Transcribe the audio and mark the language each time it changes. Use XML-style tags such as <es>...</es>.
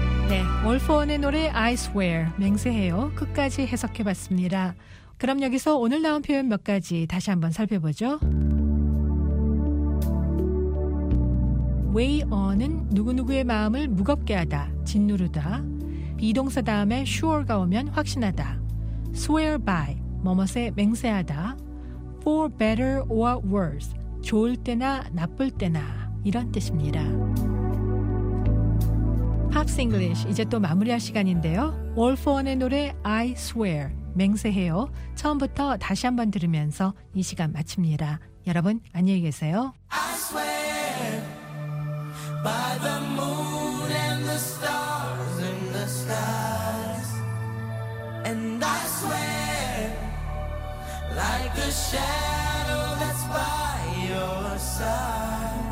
<ko>네, All for One의 노래 I Swear, 맹세해요. 끝까지 해석해봤습니다. 그럼 여기서 오늘 나온 표현 몇 가지 다시 한번 살펴보죠.</ko> <en>Weigh on</en> <ko>은 누구누구의 마음을 무겁게 하다, 짓누르다. 비동사 다음에 sure가 오면 확신하다.</ko> <en>Swear by,</en> <ko>뭐뭇에 맹세하다.</ko> <en>For better or worse,</en> <ko>좋을 때나 나쁠 때나, 이런 뜻입니다. Pops English, 이제 또 마무리할 시간인데요. All for One의 노래 I Swear, 맹세해요. 처음부터 다시 한번 들으면서 이 시간 마칩니다. 여러분, 안녕히 계세요.</ko> <en>I swear by the moon and the stars in the skies. And I swear like a shadow that's by your side.</en>